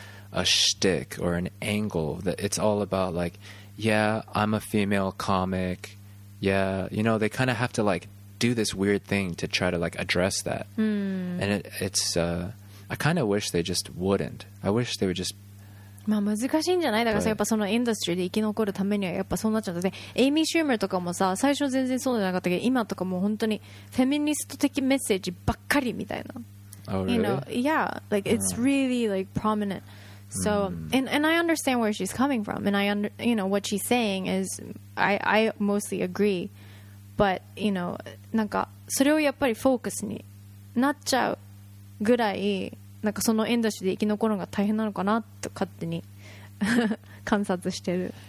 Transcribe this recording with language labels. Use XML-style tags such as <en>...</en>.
<en>A shtick or an angle that it's all about, like, yeah, I'm a female comic. Yeah, you know, they kind of have to like do this weird thing to try to like address that. Mm. And it's, I kind of wish they just wouldn't. I wish they would just.</en> <ja>まあ難しいんじゃない。だからさ、やっぱそのインダストリーで生き残るためにはやっぱそうなっちゃうんだね。エイミー・シューマーとかもさ、最初全然そうじゃなかったけど、今とかもう本当にフェミニスト的メッセージばっかりみたいな。</ja> <en>Oh, really? You know, yeah, like it's really like prominent. So, and I understand where she's coming from, and what she's saying is, I mostly agree, but you know,</en> <ja>なんかそれをやっぱりフォーカスになっちゃうぐらい、なんかそのインダストリーで生き残るのが大変なのかなと勝手に観察してる。</ja>